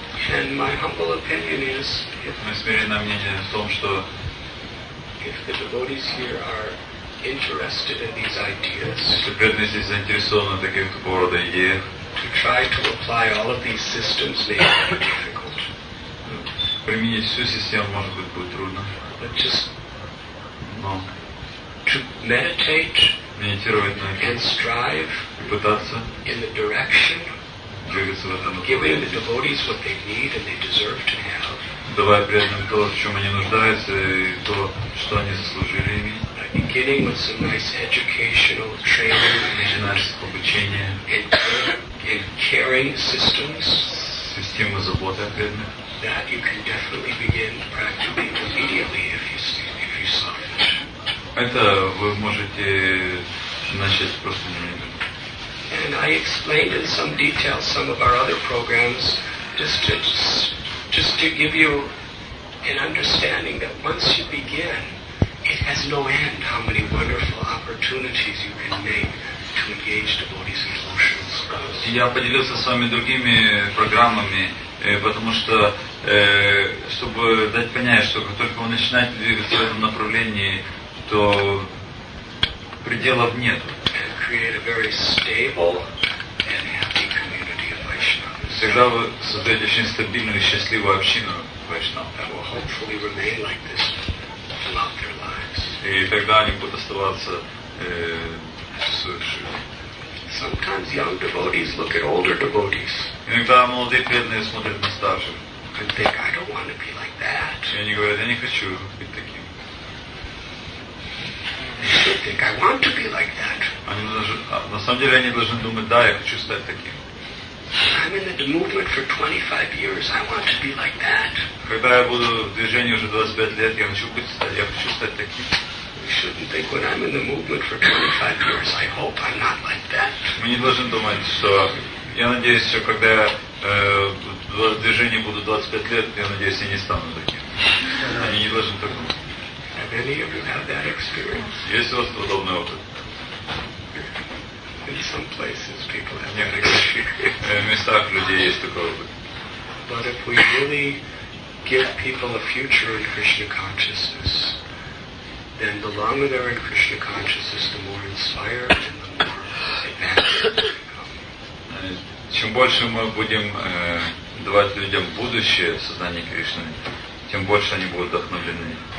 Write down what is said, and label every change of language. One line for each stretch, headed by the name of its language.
English: And my humble opinion is, if the devotees here are interested in these ideas, to try to apply all of these systems may be difficult.
Russian: Применить всю систему может быть будет трудно.
English: But just to meditate,
Russian: медитировать на
English: and strive,
Russian: пытаться
English: in the direction. Giving the devotees what they need and they deserve to have.
Russian: Давая преданным то, в чем они нуждаются, и то, что они заслужили иметь.
English: Beginning with some nice educational training and
Russian: обучение.
English: And caring systems.
Russian: Система заботы о преданных.
English: That you can definitely begin practically immediately if you saw it.
Russian: Это вы можете начать просто немедленно.
English: And I explained in some detail some of our other programs just to give you an understanding that once you begin, it has no end how many wonderful opportunities you can make to engage devotees in devotional service.
Russian: Я поделился с вами другими программами, потому что, чтобы дать понять, что как только вы начинаете двигаться в этом направлении, то пределов нет.
English: Create a very stable and happy community of Vaishnavas.
Russian: Всегда вы создаете очень стабильную и счастливую общину Вайшнавов.
English: That will hopefully remain like this throughout their lives.
Russian: И тогда они будут оставаться совершенно.
English: Sometimes young devotees look at older devotees.
Russian: Иногда молодые преданные смотрят на старших.
English: And think, I don't want to be like that.
Russian: И они говорят, я не хочу быть таким.
English: Think I want to be like that.
Russian: На самом деле они должны думать, да, я хочу стать таким.
English: I'm in the movement for 25 years. I want to be like that.
Russian: Когда я буду в движении уже 25 лет, я хочу стать таким.
English: We shouldn't think when I'm in the movement for 25 years. I hope I'm not like that.
Russian: Мы не должны думать, что я надеюсь, что когда я в движении буду 25 лет, я надеюсь, я не стану таким. Они не должны так думать.
English: Have any of you had that experience?
Russian: Есть у вас подобный опыт?
English: In some places people have that experience.
Russian: В местах людей есть такой опыт.
English: But if we really give people a future in Krishna consciousness, then the longer they're in Krishna consciousness, the more inspired and the more advanced they become.
Russian: Чем больше мы будем давать людям будущее сознания Кришны, тем больше они будут вдохновлены.